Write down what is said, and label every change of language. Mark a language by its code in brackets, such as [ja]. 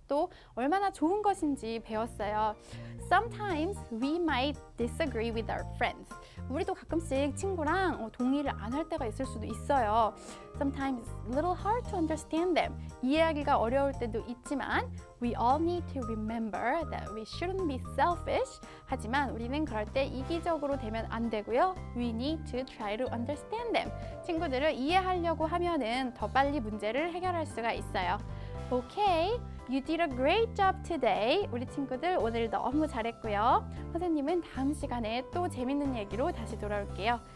[ko] 또 얼마나 좋은 것인지 배웠어요. [en] Sometimes we might disagree with our friends. [ko] 우리도 가끔씩 친구랑 동의를 안 할 때가 있을 수도 있어요. [en] Sometimes a little hard to understand them. [ko] 이해하기가 어려울 때도 있지만 [en] we all need to remember that we shouldn't be selfish. [ko] 하지만 우리는 그럴 때 이기적으로 되면 안 되고요. [en] We need to try to understand them. [ko] 친구들을 이해하려고 하면은 더 빨리 문제를 해결할 수가 있어요. [en] Okay, you did a great job today. [ko] 우리 친구들 오늘 너무 잘했고요. 선생님은 다음 시간에 또 재밌는 얘기로 다시 돌아올게요.